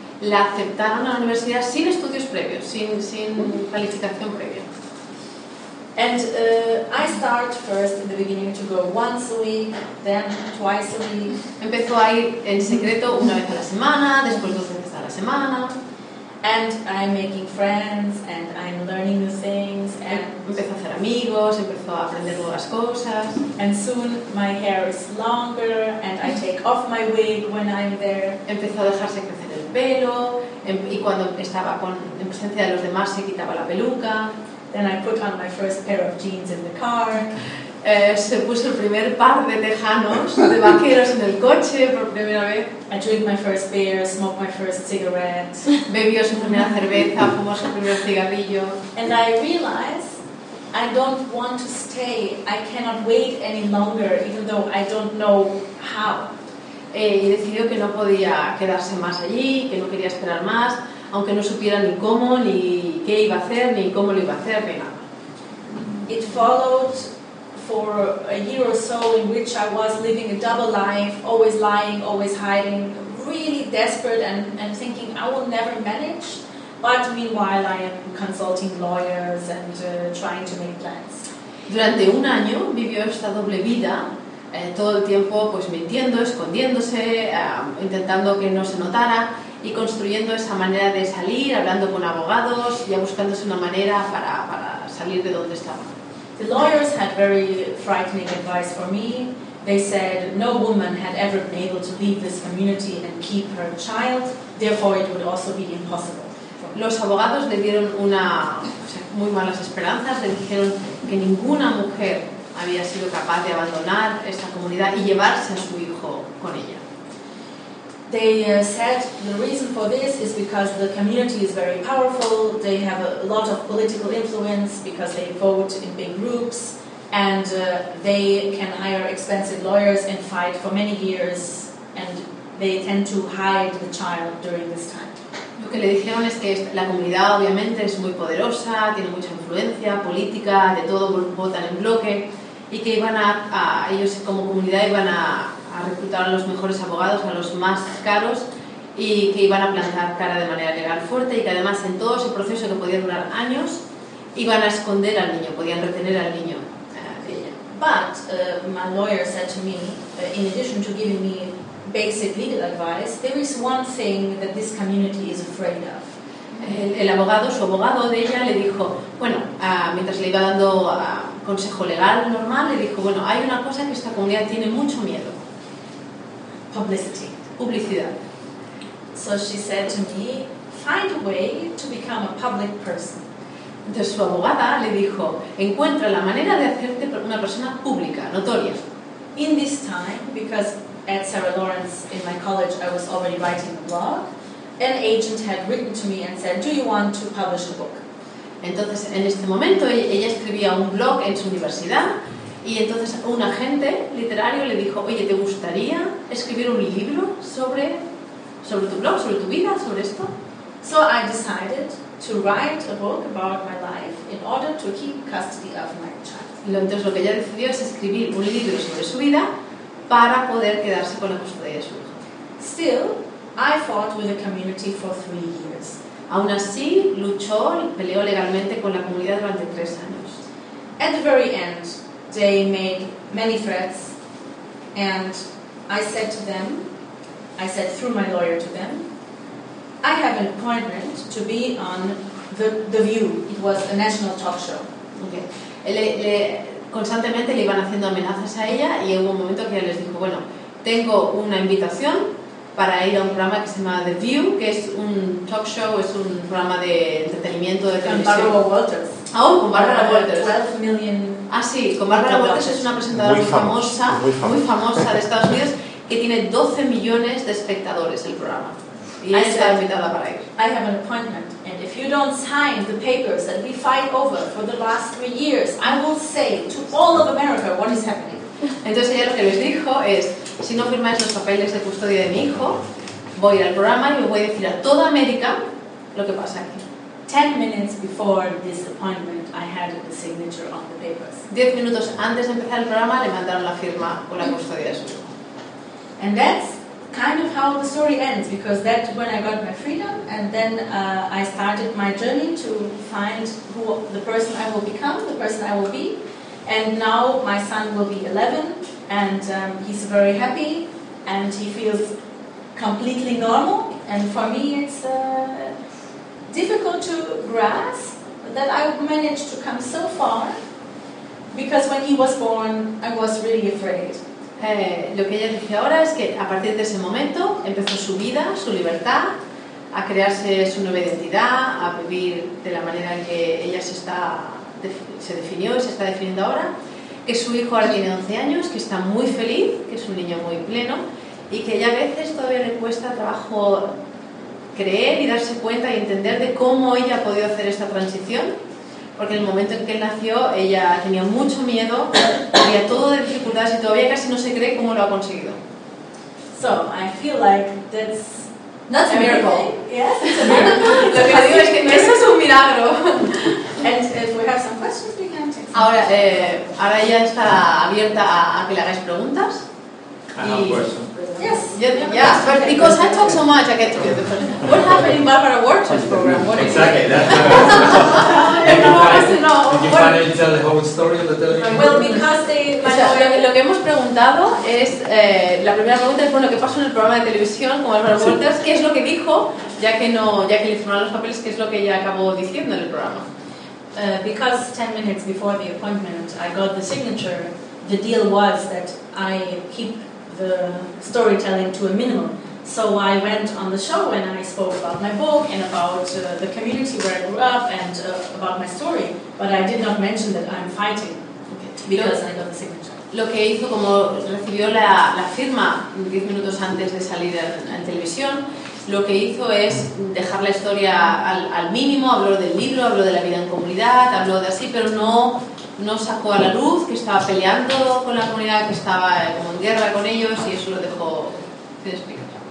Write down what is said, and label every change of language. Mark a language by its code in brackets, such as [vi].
[es] La aceptaron a la universidad sin estudios previos, sin calificación previa. [en] And I start first in the beginning to go once a week, then twice a week. [es] Empezó a ir en secreto una vez a la semana, después dos veces a la semana. [en] And I'm making friends and I'm learning new things. And [es] empezó a hacer amigos, empezó a aprender nuevas cosas. [en] And soon my hair is longer and I take off my wig when I'm there. [es] Empezó a dejarse crecer el pelo y cuando estaba en presencia de los demás se quitaba la peluca. [en] Then I put on my first pair of jeans in the car. [es] Se puso el primer par de tejanos, de vaqueros en el coche por primera vez. [en] I drank my first beer, smoked my first cigarette. [es] Bebió su primera cerveza, fumó su primer cigarrillo. [en] And I realized I don't want to stay. I cannot wait any longer, even though I don't know how. [es] Y decidió que no podía quedarse más allí, que no quería esperar más. Aunque no supiera ni cómo, ni qué iba a hacer, ni cómo lo iba a hacer, ni nada. [en] It followed for a year or so in which I was living a double life, always lying, always hiding, really desperate and thinking I will never manage. But meanwhile, I am consulting lawyers and trying to make plans. [es] Durante un año vivió esta doble vida, todo el tiempo pues mintiendo, escondiéndose, intentando que no se notara y construyendo esa manera de salir, hablando con abogados, ya buscándose una manera para salir de donde estaba. [en] The lawyers had very frightening advice for me. They said no woman had ever been able to leave this community and keep her child, therefore it would also be impossible. [es] Los abogados le dieron muy malas esperanzas, le dijeron que ninguna mujer había sido capaz de abandonar esta comunidad y llevarse a su hijo con ella. [en] They said the reason for this is because the community is very powerful, they have a lot of political influence because they vote in big groups and they can hire expensive lawyers and fight for many years and they tend to hide the child during this time. [es] Lo que le dijeron es que la comunidad obviamente es muy poderosa, tiene mucha influencia política, de todo votan en bloque y que iban a ellos como comunidad iban a reclutar a los mejores abogados, a los más caros y que iban a plantar cara de manera legal fuerte y que además en todo ese proceso que podía durar años iban a esconder al niño, podían retener al niño. [en] But my lawyer said to me, in addition to giving me basic legal advice, there is one thing that this community is afraid of. [es] El abogado, su abogado de ella, le dijo, bueno, mientras le iba dando consejo legal normal, le dijo, bueno, hay una cosa que esta comunidad tiene mucho miedo. [en] Publicity. [es] Publicidad. [en] So she said to me, find a way to become a public person. [es] Entonces su abogada le dijo, encuentra la manera de hacerte una persona pública, notoria. [en] In this time, because at Sarah Lawrence in my college I was already writing a blog, an agent had written to me and said, do you want to publish a book? [es] Entonces en este momento ella escribía un blog en su universidad y entonces un agente literario le dijo, oye, ¿te gustaría escribir un libro sobre tu blog, sobre tu vida, sobre esto? [en] So I decided to write a book about my life in order to keep custody of my child. [es] Entonces lo que ella decidió es escribir un libro sobre su vida para poder quedarse con la custodia de su hijo. [en] Still, I fought with the community for 3 years. [es] Aún así, luchó y peleó legalmente con la comunidad durante 3 años. [en] At the very end, they made many threats, and I said through my lawyer to them, I have an appointment to be on the View. It was a national talk show. Okay. [es] Constantemente le iban haciendo amenazas a ella y hubo un momento que ella les dijo, bueno, tengo una invitación para ir a un programa que se llama The View, que es un talk show, es un programa de entretenimiento de televisión. Con Barbara Walters. Ah, oh, con Barbara Walters. [en] 12 million. [es] Ah, sí, con Barbara Walters es una presentadora muy famosa de Estados Unidos que tiene 12 millones de espectadores el programa. Y ella está invitada para ir. [en] I have an appointment. And if you don't sign the papers that we fight over for the last 3 years, I will say to all of America what is happening. [es] Entonces ella lo que les dijo es, si no firmáis los papeles de custodia de mi hijo, voy al programa y voy a decir a toda América lo que pasa aquí. [en] 10 minutes before this appointment, I had the signature on the papers. [es] 10 minutos antes de empezar el programa, le mandaron la firma con la custodia de su hijo. [en] And that's kind of how the story ends, because that's when I got my freedom, and then I started my journey to find who the person I will become, the person I will be, and now my son will be 11, and he's very happy, and he feels completely normal, and for me it's difficult to grasp that I managed to come so far, because when he was born I was really afraid. [es] Lo que ella dice ahora es que a partir de ese momento empezó su vida, su libertad, a crearse su nueva identidad, a vivir de la manera en que ella se definió y se está definiendo ahora, que su hijo ahora tiene 11 años, que está muy feliz, que es un niño muy pleno y que ella a veces todavía le cuesta trabajo creer y darse cuenta y entender de cómo ella ha podido hacer esta transición. Porque en el momento en que él nació, ella tenía mucho miedo, había todo de dificultades y todavía casi no se cree cómo lo ha conseguido. [en] So, I feel like that's not a miracle. Yes, it's a miracle. [es] Lo que digo es que eso es un milagro. [en] And if we have some questions, we can take some. [es] Ahora ella está abierta a que le hagáis preguntas. [en] I have a question. Yes. Yeah. Because I talk so much, I get to be the first. What happened in Barbara Walters' program? What is exactly? Everyone wants to know. Did you finally tell the whole story of the television? Well, because they. [es] Lo que hemos preguntado es la primera pregunta es bueno, ¿qué pasó en el programa de televisión con Barbara Walters? ¿Qué es lo que dijo? Ya que le firmaron los papeles, ¿qué es lo que ella acabó diciendo en el programa? [en] Because 10 minutes before the appointment, I got the signature. The deal was that I keep the storytelling to a minimum. So I went on the show and I spoke about my book and about the community where I grew up and about my story. But I did not mention that I'm fighting because I got the signature. [es] Lo que hizo, como recibió la firma 10 minutos antes de salir en televisión, lo que hizo es dejar la historia al mínimo, habló del libro, habló de la vida en comunidad, habló de así, pero no sacó a la luz que estaba peleando con la comunidad, que estaba como en guerra con ellos, y eso lo dejó sin explicar.